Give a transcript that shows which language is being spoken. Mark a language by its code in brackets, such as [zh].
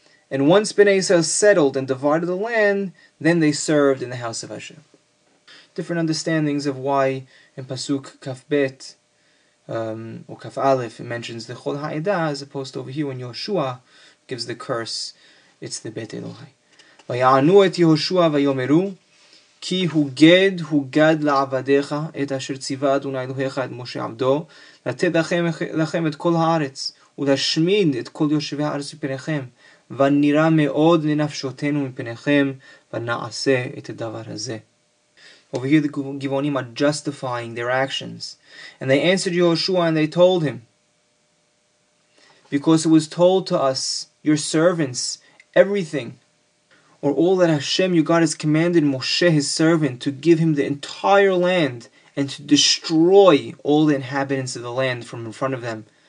[en] And once Bnei Yisrael settled and divided the land, then they served in the house of Hashem. Different understandings of why in Pasuk Kaf Bet or Kaf Aleph it mentions the Chol Ha'edah, as opposed to over here when Yehoshua gives the curse, it's the Bet Elohai. [he] ויענו את יהושע ויאמרו כי הוגד הוגד לעבדיך את אשר ציווה אדוני אלוהיך את משה עבדו לתת לכם את כל הארץ ולהשמיד את כל יושבי הארץ מפניכם ונראה מאוד לנפשותינו מפניכם ונעשה את הדבר הזה. [en] Over here the Givonim are justifying their actions. And they answered Yehoshua and they told him, because it was told to us, your servants, everything, or all that Hashem, your God, has commanded Moshe, his servant, to give him the entire land and to destroy all the inhabitants of the land from in front of them.